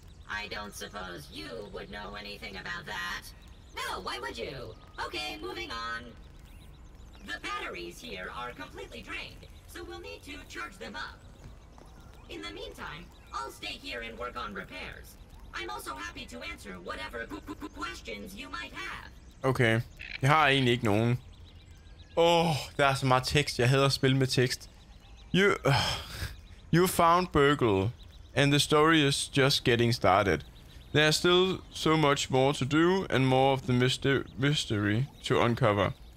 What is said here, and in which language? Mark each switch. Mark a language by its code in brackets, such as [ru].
[en] I don't suppose you would know anything about that. No, why would you? Okay, moving on. The batteries here are completely drained, so we'll need to charge them up. In the meantime, I'll stay here and work on repairs. I'm also happy to answer whatever questions you might have. Okay. [da] Jeg har egentlig ikke nogen. Der er så meget tekst. Jeg hader at spille med tekst. [en] You found Burgle, and the story is just getting started. There is still so much more to do and more of the mystery to uncover.